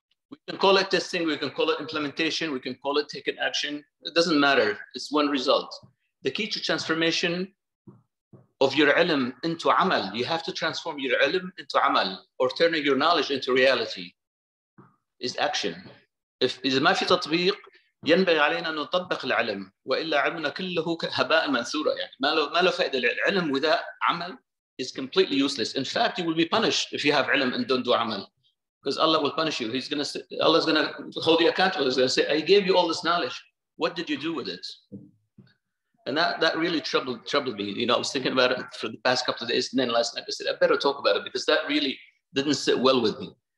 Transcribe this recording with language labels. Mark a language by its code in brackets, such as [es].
[en] We can call it testing, we can call it implementation, we can call it taking action. It doesn't matter, it's one result. The key to transformation of your ilm into amal, you have to transform your ilm into amal or turning your knowledge into reality is action. [ar] If إذا ما في تطبيق ينبغي علينا أن نطبق العلم وإلا علمنا كله هباء منثورة يعني ما له فائدة العلم without عمل [en] is completely useless. In fact, you will be punished if you have علم and don't do عمل because Allah will punish you. Allah is going to hold you accountable. He's going to say, I gave you all this knowledge. What did you do with it? And that really troubled me. You know, I was thinking about it for the past couple of days, and then last night I said, I better talk about it because that really didn't sit well with me.